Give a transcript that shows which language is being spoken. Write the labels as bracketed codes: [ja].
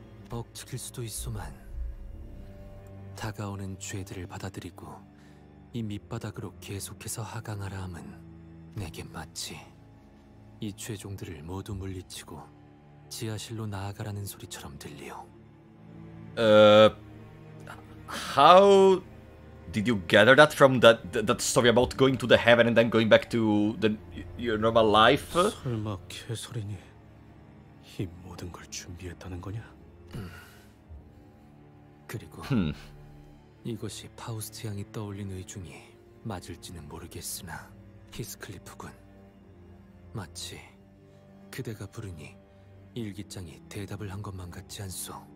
[ko] 억측일 수도 있어만 다가오는 죄들을 받아들이고 이 밑바닥으로 계속해서 하강하라 함은 내게 맞지. 이 죄종들을 모두 물리치고 지하실로 나아가라는 소리처럼 들리오. [en] How did you gather that from that story about going to the heaven and then going back to your normal life? [ko] 설마 개설이니 이 모든 걸 준비했다는 거냐? 그리고 이것이 파우스트 양이 떠올린 의중이 맞을지는 모르겠으나 히스클리프군 마치 그대가 부르니 일기장이 대답을 한 것만 같지 않소?